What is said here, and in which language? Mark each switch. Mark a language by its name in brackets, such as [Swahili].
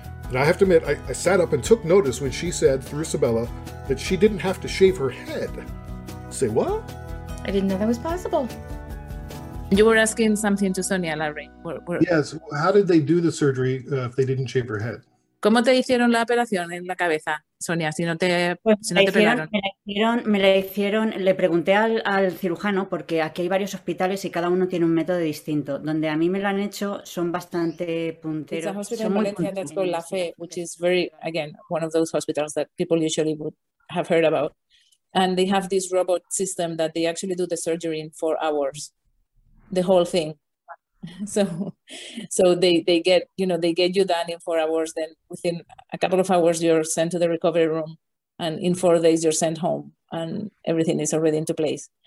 [English] And I have to admit, I sat up and took notice when she said, through Sabella, that she didn't have to shave her head. Say what? I didn't know that was possible. You were asking something to Sonia, Larry. Yes, how did they do the surgery if they didn't shave her head? [Spanish] ¿Cómo te hicieron la operación en la cabeza, Sonia, si no te, pues, si no te pegaron? Me la hicieron, le pregunté al cirujano, porque aquí hay varios hospitales y cada uno tiene un método distinto. Donde a mí me lo han hecho son bastante punteros. [English] It's a hospital in Valencia that's called La Fe, which is very, again, one of those hospitals that people usually would have heard about. And they have this robot system that they actually do the surgery in 4 hours, the whole thing. So they get, you know, they get you done in 4 hours, then within a couple of hours you're sent to the recovery room, and in 4 days you're sent home and everything is already into place.